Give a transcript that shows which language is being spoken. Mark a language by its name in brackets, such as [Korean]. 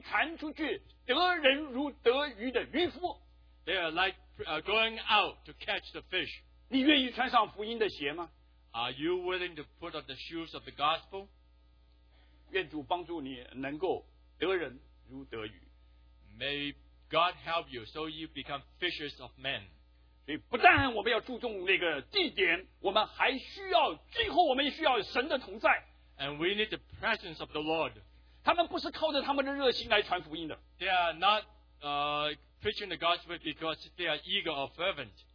[Chinese] 他们乃是出去把福音传出去，得人如得鱼的渔夫。 [English] They are like going out to catch the fish. [Chinese] 你愿意穿上福音的鞋吗？ [English] Are you willing to put on the shoes of the gospel? [Chinese] 愿主帮助你能够得人如得鱼。 [English] May God help you so you become fishers of men. [Chinese] 所以不但我们要注重那个地点，我们还需要，最后我们也需要神的同在。 [English] And we need the presence of the Lord. [Chinese] 他们不是靠着他们的热心来传福音的。 [English] They are not preaching the gospel because they are eager or fervent.